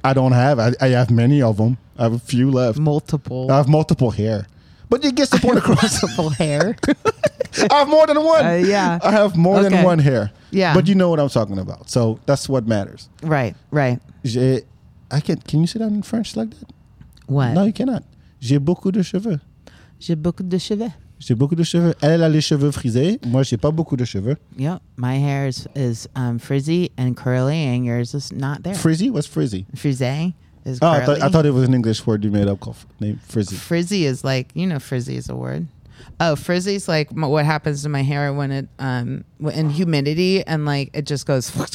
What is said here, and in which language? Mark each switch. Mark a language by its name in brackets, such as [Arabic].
[English] I don't have. I have many of them. I have a few left. Multiple. I have multiple hair. But it gets the point across. Multiple hair? I have more than one. Yeah. I have more than one hair. Yeah. But you know what I'm talking about. So that's what matters. Right, right. Can you say that in French like that? What? No, you cannot. [French] J'ai beaucoup de cheveux. J'ai beaucoup de cheveux. J'ai beaucoup de cheveux. Elle a les cheveux frisés. Moi, j'ai pas beaucoup de cheveux. [English] Yeah, my hair is frizzy and curly, and yours is not there. Frizzy? What's frizzy? Frisé is curly. Oh, I thought it was an English word you made up called frizzy. Frizzy is like, you know, frizzy is a word. Oh, frizzy is like what happens to my hair when it, in humidity, and like it just goes.